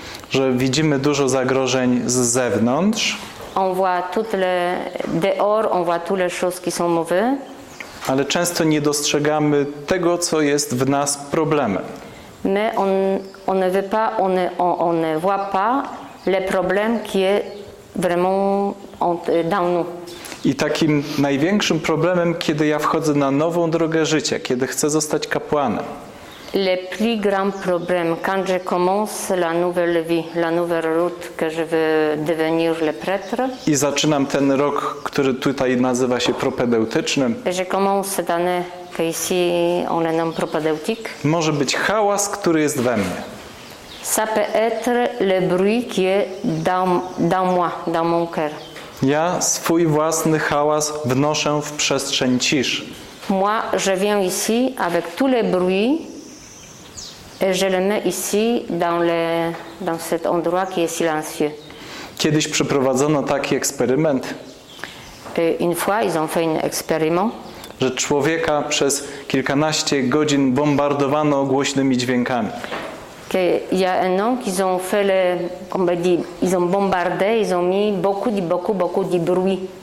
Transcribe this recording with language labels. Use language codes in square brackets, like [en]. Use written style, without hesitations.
[pl] Że widzimy dużo zagrożeń z zewnątrz. [fr] On voit toutes les dehors, on voit toutes les choses qui sont mauvaises. [pl] Ale często nie dostrzegamy tego, co jest w nas problemem. [fr] Mais on ne veut pas, on ne voit pas les problèmes qui est vraiment dans nous. [pl] I takim największym problemem, kiedy ja wchodzę na nową drogę życia, kiedy chcę zostać kapłanem. [fr] Le plus grand problème quand je commence la nouvelle vie, la nouvelle route que je veux devenir le prêtre. [pl] I zaczynam ten rok, który tutaj nazywa się propedeutycznym. [fr] Je commence l'année que ici on le nomme propedeutique. [pl] Może być hałas, który jest we mnie. [fr] Ça peut être le bruit qui est dans moi, dans mon cœur. [pl] Ja swój własny hałas wnoszę w przestrzeń ciszy. [fr] Moi, je viens ici avec tous les bruits. Et je le mets ici dans cet endroit qui est silencieux. [pl] Kiedyś przeprowadzono taki eksperyment. [fr] Une fois, ils ont fait un expériment. [pl] Że człowieka przez kilkanaście godzin bombardowano głośnymi dźwiękami. [fr] Que il y a un homme qu'ils ont fait le, comme on dit, ils ont bombardé, ils ont mis beaucoup de bruit.